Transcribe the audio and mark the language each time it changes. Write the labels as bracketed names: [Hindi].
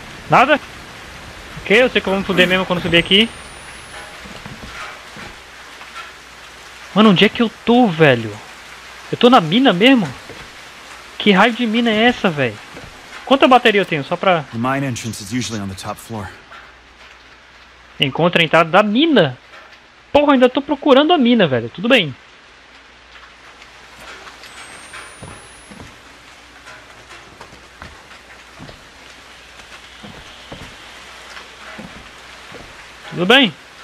[Portuguese] Nada? Ok, eu sei que eu vou me fuder mesmo quando subir aqui. Mano, onde é que eu tô, velho? Eu tô na mina mesmo? Que raio de mina é essa, velho? Quanta bateria eu tenho? Só pra. [English] The mine entrance is usually on the top floor. [Portuguese] Encontra a entrada da mina. Porra, ainda tô procurando a mina, velho. Tudo bem. Tudo bem.